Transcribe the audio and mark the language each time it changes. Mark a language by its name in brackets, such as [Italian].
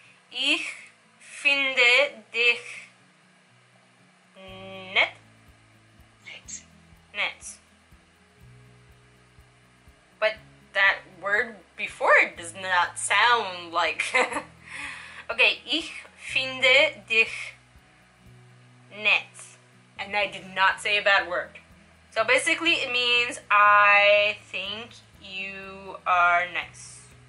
[German] Ich finde dich nett. Nett. Nett. [English] But that word before it does not sound like... [German] Okay, ich finde dich nett. [English] And I did not say a bad word. So basically it means I think you are nice.